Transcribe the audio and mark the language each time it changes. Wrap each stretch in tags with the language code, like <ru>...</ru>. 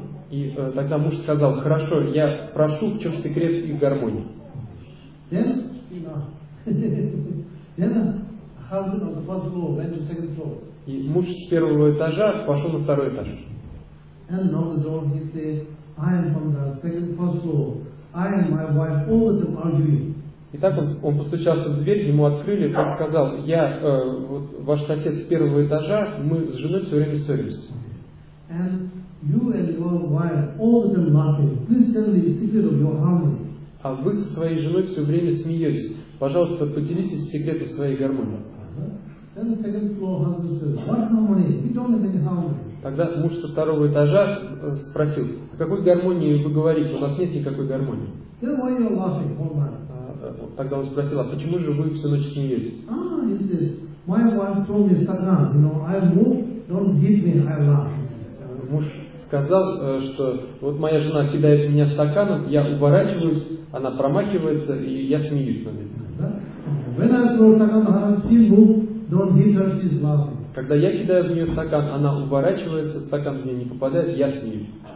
<ru>И тогда муж сказал, хорошо, я спрошу, в чем секрет их гармонии. И муж с первого этажа пошел на второй этаж.</ru> <en>And knock the door. He said, "I am from the second first floor. I and my wife all of them arguing."</en> <ru>И так он постучался в дверь, ему открыли, он сказал: "Я вот ваш сосед с первого этажа, мы с женой все время ссорились."</ru> <en>And you and your wife all of them laughing. Please tell me the secret of your harmony.</en> <ru>А вы со своей женой все время смеетесь. Пожалуйста, поделитесь секретом своей гармонии.</ru> <en>Then the second floor husband says, "What harmony? We don't have any harmony."</en> <ru>Тогда муж со второго этажа спросил, о какой гармонии вы говорите, у нас нет никакой гармонии.</ru> <en>Then why you're laughing, old man?</en> <ru>Тогда он спросил, а почему же вы всю ночь смеетесь?</ru> <en>Ah, he says, my wife told me, Satan, you know, I move, don't hit me, I laugh.</en> <ru>Муж сказал, что вот моя жена кидает в меня стаканом, я уворачиваюсь, она промахивается, и я смеюсь над этим.</ru> <en>When I throw stakan, she move, don't hit her, she's laughing.</en> <ru>Когда я кидаю в нее стакан, она уворачивается, стакан в нее не попадает, я с ней.</ru>